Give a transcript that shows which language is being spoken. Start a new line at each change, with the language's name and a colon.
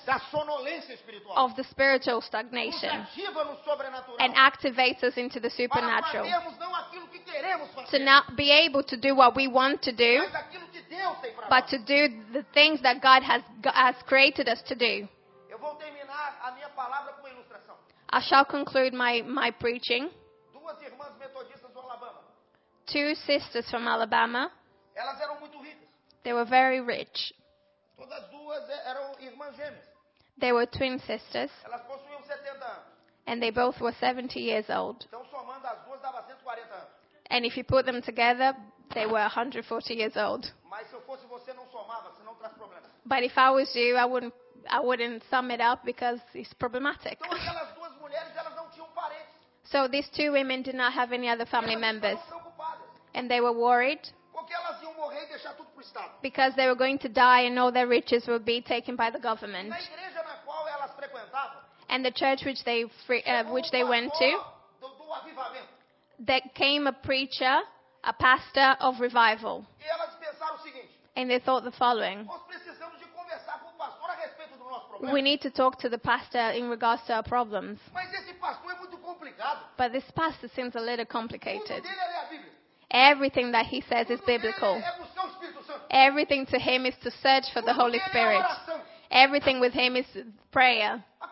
Portuguese: da sonolência espiritual,
English: of the spiritual stagnation,
Portuguese: nos ativa no sobrenatural,
English: and activates us into the supernatural.
Portuguese: Para fazermos não aquilo que queremos fazer,
English: to not be able to do what we want to do,
Portuguese: mas aquilo que Deus tem para
English: but To do the things that God has created us to do.
Portuguese: Eu vou terminar a minha palavra com uma ilustração.
English: I shall conclude my preaching.
Portuguese: Duas irmãs metodistas do Alabama.
English: Two sisters from Alabama.
Portuguese: Elas eram muito ricas.
English: They were very rich.
Portuguese: Todas duas eram irmãs gêmeas.
English: They were twin sisters.
Portuguese: Elas possuíam 70 anos.
English: And they both were 70 years old.
Portuguese: Então, somando as duas, dava 140 anos.
English: And if you put them together, they were 140 years old.
Portuguese: Mas se eu fosse você, não somava, senão traz problemas.
English: But if I was you, I wouldn't sum it up because it's problematic.
Portuguese: Então, aquelas duas mulheres, elas não tinham parentes.
English: So these two women did not have any other family
Portuguese: elas
English: members.
Portuguese: Estavam preocupadas.
English: And they were worried.
Portuguese: Porque elas iam morrer e deixar tudo pro Estado.
English: Because they were going to die and all their riches would be taken by the government.
Portuguese: Na igreja na qual elas frequentavam,
English: and the church which they which they went to,
Portuguese: do avivamento,
English: there came a preacher, a pastor of revival.
Portuguese: E elas pensaram o seguinte,
English: and they thought the following:
Portuguese: nós precisamos de conversar com o pastor a respeito do nosso problema.
English: We need to talk to the pastor in regards to our problems.
Portuguese: Mas esse pastor é muito complicado.
English: But this pastor seems a little complicated.
Portuguese: Tudo dele é a Bíblia.
English: Everything that he says is biblical. Everything to him is to search for the Holy Spirit. Everything with him is prayer.